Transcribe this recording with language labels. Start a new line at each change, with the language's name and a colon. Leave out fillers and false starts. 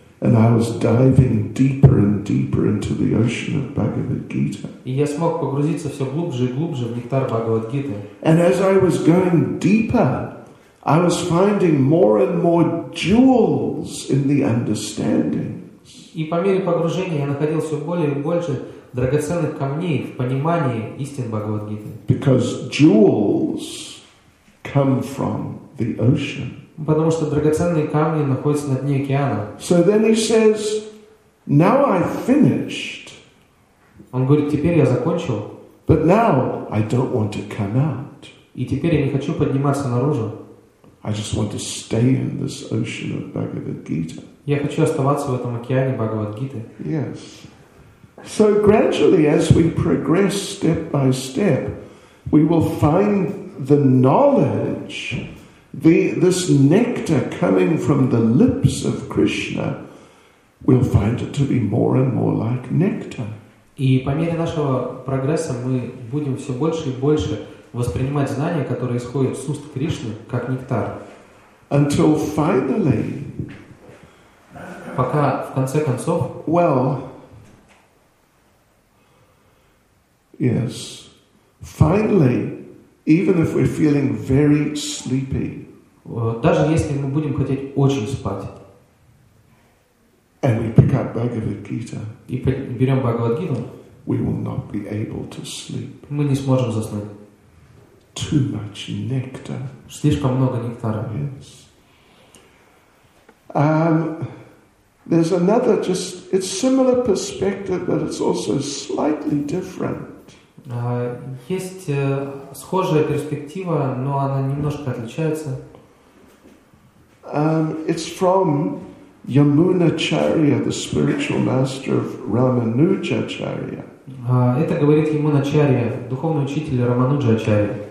English: And I was diving deeper and deeper into the ocean of Bhagavad Gita.
Russian: И я смог погрузиться все глубже и глубже в нектар Бхагавад Гиты.
English: And as I was going deeper, I was finding more and more jewels in the understanding.
Russian: И по мере погружения я находил все более и больше драгоценных камней в понимании истин Бхагавад Гиты.
English: Because jewels come from the ocean.
Russian: Потому что драгоценные камни находятся на дне океана.
English: So then he says, now I've finished.
Russian: Он говорит, теперь я закончил.
English: But now I don't want to come out.
Russian: И теперь я не хочу подниматься наружу.
English: I just want to stay in this ocean of Bhagavad Gita.
Russian: Я хочу оставаться в этом океане Бхагавад Гиты.
English: Yes. So gradually, as we progress step by step, we will find the knowledge, this nectar coming from the lips of Krishna, we'll find it to be more and more like nectar.
Russian: И по мере нашего прогресса мы будем все больше и больше воспринимать знания, которые исходят с уст Кришны, как нектар.
English: Until finally.
Russian: Пока в конце концов.
English: Well, yes. Finally, even if we're feeling very sleepy.
Russian: Даже если мы будем хотеть очень спать.
English: And we pick up Bhagavad Gita.
Russian: И берем Бхагавад Гиту.
English: We will not be able to sleep.
Russian: Мы не сможем заснуть.
English: Too much nectar.
Russian: Слишком много нектара.
English: Yes. There's another just, it's similar perspective, but it's also slightly different.
Russian: Есть схожая перспектива, но она немножко отличается.
English: It's from Yamunacharya, the spiritual master of Ramanujacharya.
Russian: Это говорит Ямуначарья, духовный учитель Рамануджачарья.